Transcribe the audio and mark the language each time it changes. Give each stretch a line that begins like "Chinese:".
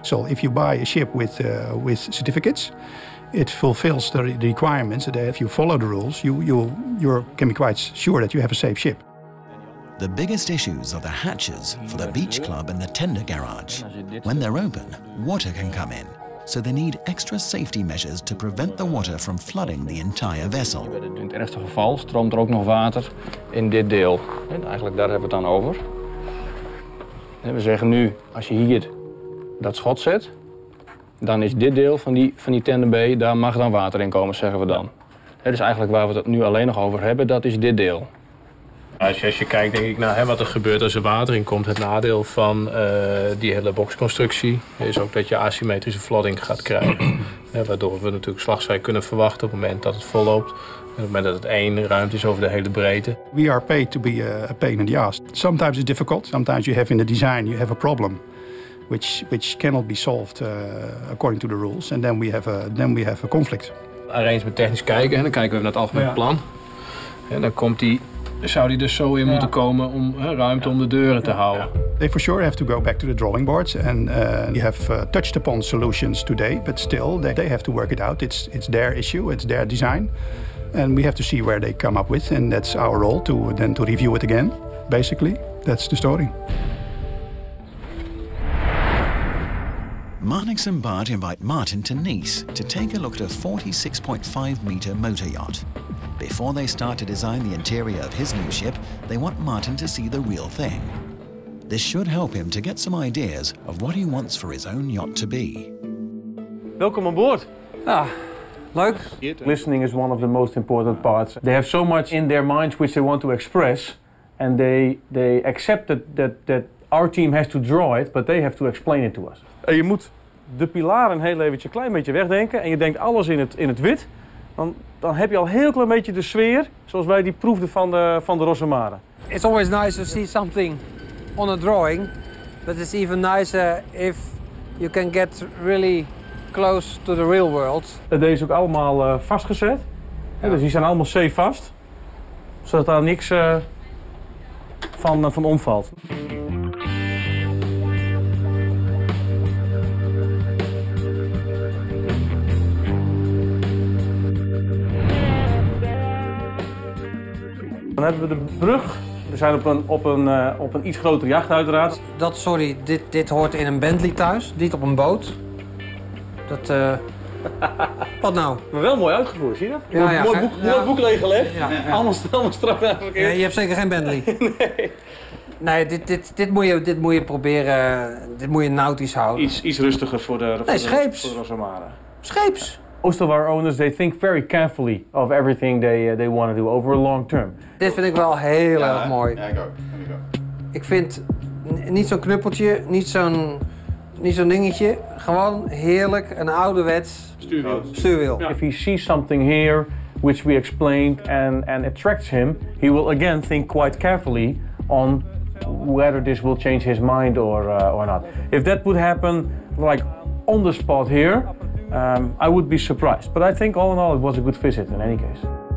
English: So if you buy a ship with certificates, it fulfills the requirements that if you follow the rules, you can be quite sure that you have a safe ship. The biggest issues are the hatches for the beach club and the tender garage. When they're open, water can come in. So they need extra safety measures to prevent the water from flooding the entire vessel.
Dutch: In het ergste geval stroomt er ook nog water in dit deel. En eigenlijk daar hebben we het dan over. En we zeggen nu, als je hier dat schot zet, dan is dit deel van die tender bay, daar mag dan water in komen, zeggen we dan. Het is eigenlijk waar we het nu alleen nog over hebben, dat is dit deel. Als je kijkt, denk ik, naar wat er gebeurt als er water in komt. Het nadeel van die hele boxconstructie is ook dat je asymmetrische flooding gaat krijgen. Ja, waardoor we natuurlijk slag zou kunnen verwachten op het moment dat het volloopt. En op het moment dat het één ruimte is over de hele breedte.
English: We are paid to be a pain in the ass. Sometimes it's difficult. Sometimes you have in the design, you have a problem. Which cannot be solved according to the rules. And then we have a conflict.
Dutch: Alleen met technisch kijken, dan kijken we naar het algemeen plan. En dan komt die. Zou die dus zo in moeten komen om ruimte om de deuren te houden?
English: They for sure have to go back to the drawing boards and you have touched upon solutions today, but still they have to work it out. It's their issue, it's their design, and we have to see where they come up with, and that's our role to review it again. Basically, that's the story. Marnix and Bart invite Martin to Nice to take a look at a 46.5-meter motor yacht. Before they start to design the interior of his new ship, they want Martin to see the real thing. This should help him to get some ideas of what he wants for his own yacht to be. Welcome on board.
Dutch: Ah, leuk.
English: Listening is one of the most important parts. They have so much in their minds which they want to express, and they accept that our team has to draw it, but they have to explain it to us.
Dutch: Je moet de pilaren een heel eventje, klein beetje wegdenken en je denkt alles in het wit. Dan heb je al heel klein beetje de sfeer, zoals wij die proefden van de Rosemare.
English: It's always nice to see something on a drawing But it's even nicer if you can get really close to the real world.
Dutch: Deze is ook allemaal vastgezet. Ja. Dus die zijn allemaal safe vast. Zodat daar niks van omvalt. Dan hebben we de brug. We zijn op een iets grotere jacht uiteraard. Dit hoort in een Bentley thuis, niet op een boot. Dat wat nou? Maar wel mooi uitgevoerd, zie je dat? Ja, mooi boek leeggelegd. Ja. Anders strak eigenlijk. Ja, je hebt zeker geen Bentley. Nee, dit moet je proberen. Dit moet je nautisch houden. Iets rustiger voor de scheeps. Scheeps.
English: Most of our owners, they think very carefully of everything they want to do over a long term.
Dutch: Dit vind ik wel heel erg mooi. Ja, ik ook. Ik vind niet zo'n knuppeltje, niet zo'n dingetje. Gewoon heerlijk, een ouderwets stuurwiel.
English: Yeah. If he sees something here, which we explained and attracts him, he will again think quite carefully on whether this will change his mind or not. If that would happen, like on the spot here, I would be surprised, but I think all in all it was a good visit in any case.